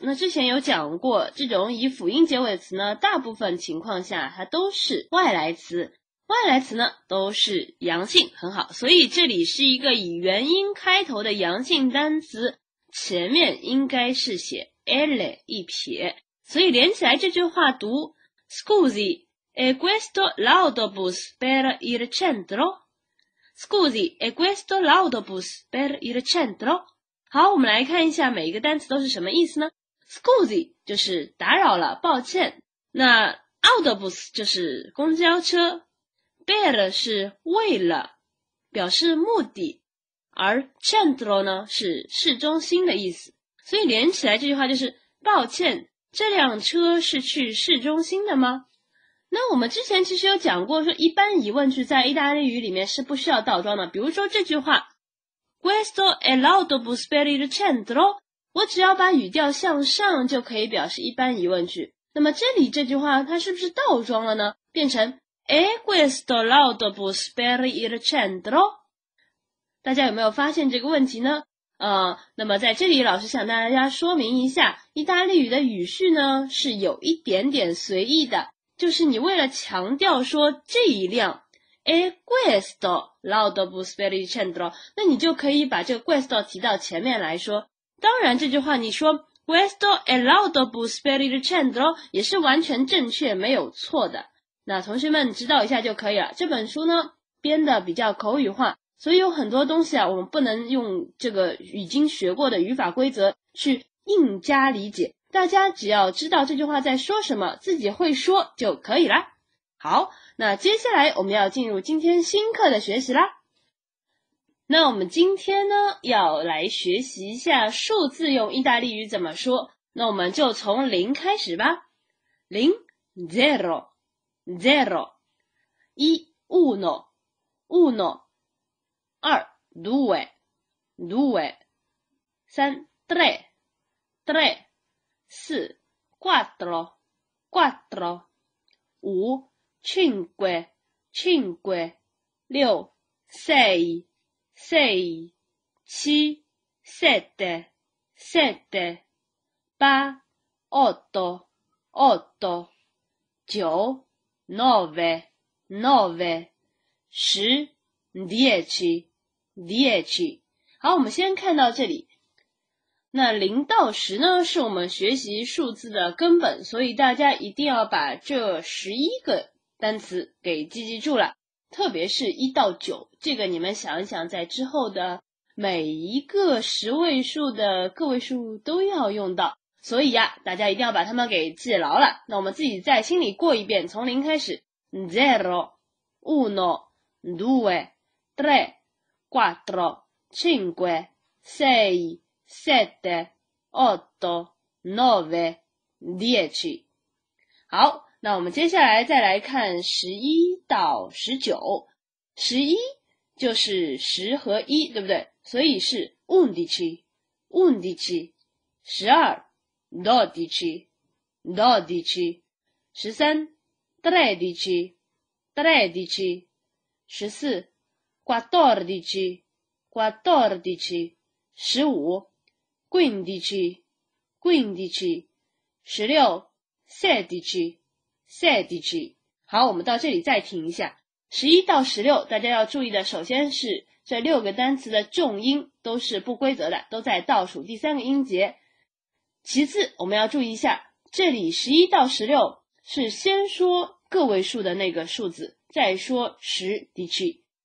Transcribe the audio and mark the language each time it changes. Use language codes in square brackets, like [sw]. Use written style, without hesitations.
[zh] 那之前有讲过，这种以辅音结尾的词呢大部分情况下它都是外来词，外来词呢都是阳性。很好，所以这里是一个以元音开头的阳性单词，前面应该是写 l 一撇，所以连起来这句话读 scusi è questo l'autobus per il centro。 [it] Scusi, è questo l'autobus per il centro? [zh] 好，我们来看一下每一个单词都是什么意思呢？Scusi 就是打扰了，抱歉。那 autobus 就是公交车， per 是为了，表示目的，而 centro 呢是市中心的意思。所以连起来这句话就是，抱歉，这辆车是去市中心的吗？那我们之前其实有讲过，说一般疑问句在意大利语里面是不需要倒装的。比如说这句话 [it] Questo è l'autobus per il centro， [zh] 我只要把语调向上就可以表示一般疑问句。那么这里这句话它是不是倒装了呢？变成 [it] È questo l'autobus per il centro？ [zh] 大家有没有发现这个问题呢？那么在这里老师想大家说明一下，意大利语的语序呢是有一点点随意的，就是你为了强调说这一辆 [it] è questo l'autobus per il centro， [zh] 那你就可以把这个 questo 提到前面来说。当然这句话你说 [it] questo è l'autobus per il centro [zh] 也是完全正确没有错的。那同学们知道一下就可以了，这本书呢编的比较口语化，所以有很多东西啊我们不能用这个已经学过的语法规则去硬加理解，大家只要知道这句话在说什么，自己会说就可以啦。好，那接下来我们要进入今天新课的学习啦。那我们今天呢要来学习一下数字用意大利语怎么说，那我们就从零开始吧。 [it] 零 zero zero， 一 uno uno， 二 due due， 三 tre tre，四 quattro quattro， 五 cinque cinque， 六 sei sei， 七 sette sette，八、otto、otto、九、nove、nove、十、dieci、dieci。 [zh] 好，我们先看到这里。那零到十呢，是我们学习数字的根本，所以大家一定要把这十一个单词给记住了。特别是一到九，这个你们想一想，在之后的每一个十位数的个位数都要用到，所以呀，大家一定要把它们给记牢了。那我们自己在心里过一遍，从零开始 [it] ：zero、uno、due、tre、quattro、cinque、sei、sette、otto、nove、dieci。 [zh] 好，那我们接下来再来看十一到十九。十一就是十和一，对不对？所以是 [it] undici, undici, 十二 dodici, dodici, 十三 tredici, tredici, 十四 quattordici, quattordici, 十五 quindici, quindici, 十六 sedici, sedici。 [zh] 好，我们到这里再停一下。十一到十六，大家要注意的，首先是这六个单词的重音都是不规则的，都在倒数第三个音节。其次，我们要注意一下，这里十一到十六是先说个位数的那个数字，再说十 dici。